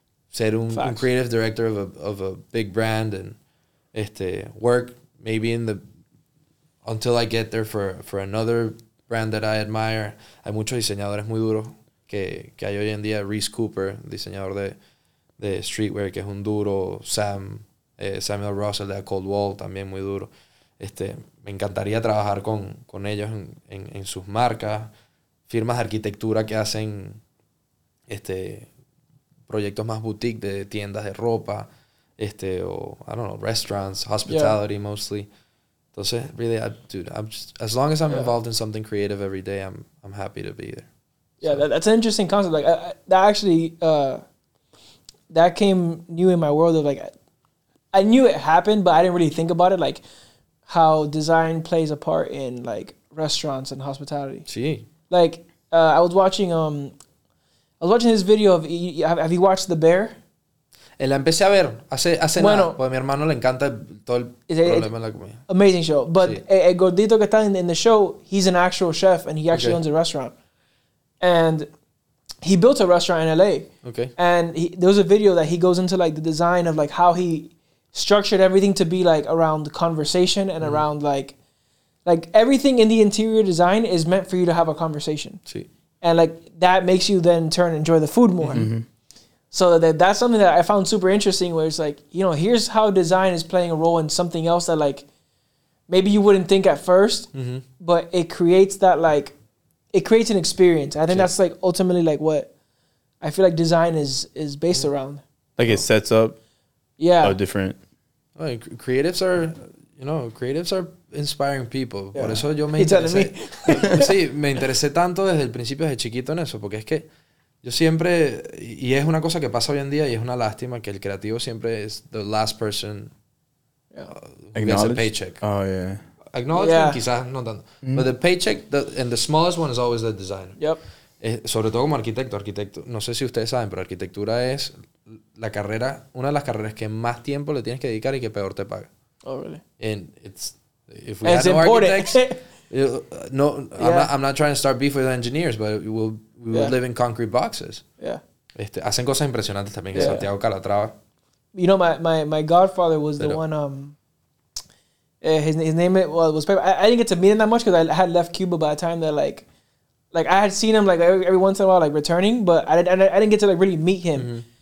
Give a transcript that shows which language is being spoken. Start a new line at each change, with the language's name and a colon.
Spanish: ser un
English: creative director of a big brand and work maybe in the until I get there for another brand that I admire.
Spanish: Hay muchos diseñadores muy duros que hay hoy en día. Reese Cooper, diseñador de streetwear, que es un duro. Samuel Russell de Coldwell, también muy duro. Me encantaría trabajar con ellos en sus marcas, firmas de arquitectura que hacen proyectos más boutique de tiendas de ropa,
English: I don't know, restaurants, hospitality mostly. Entonces, really, as long as I'm involved in something creative every day, I'm happy to be there. That's an interesting concept. Like that came new in my world of like, I knew it happened, but I didn't really think about it. Like, how design plays a part in like restaurants and hospitality. Gee. Like I was watching this video of have you watched The Bear?
Spanish: La empecé a ver hace bueno, nada, porque a mi hermano le encanta todo el problema de la comida.
English: Amazing show, but
Spanish: el gordito que está
English: in the show, he's an actual chef and he actually owns a restaurant. And he built a restaurant in LA. Okay. And there was a video that he goes into like the design of like how he structured everything to be like around conversation and around like everything in the interior design is meant for you to have a conversation.
Spanish: Sí.
English: And like that makes you then turn and enjoy the food more. Mm-hmm. So that's something that I found super interesting, where it's like, you know, here's how design is playing a role in something else that like maybe you wouldn't think at first, but it creates that like, it creates an experience. I think that's like ultimately like what I feel like design is based around. Like it sets up a different. Like creatives are, you know, creatives are inspiring people.
Spanish: Yeah. Por eso yo me interesé. Sí, me interesé tanto desde el principio, desde chiquito en eso, porque es que yo siempre, y es una cosa que pasa hoy en día y es una lástima que el creativo siempre es
English: the last person gets a paycheck. Oh, yeah. Acknowledge, yeah.
Spanish: Quizás no tanto. Mm.
English: But the paycheck, and the smallest one is always the designer. Yep.
Spanish: Sobre todo como arquitecto. Arquitecto, no sé si ustedes saben, pero arquitectura es la carrera, una de las carreras que más tiempo le tienes que dedicar y que peor te paga.
English: Oh, really? And it's, if we had no architects, no, yeah. I'm not trying to start beef with engineers, but we will live in concrete boxes. Yeah.
Spanish: Este, hacen cosas impresionantes también, yeah. Santiago Calatrava.
English: You know, my godfather was the one, his name was, I didn't get to meet him that much because I had left Cuba by the time that, like I had seen him like every once in a while, like returning, but I didn't get to like really meet him. Mm-hmm.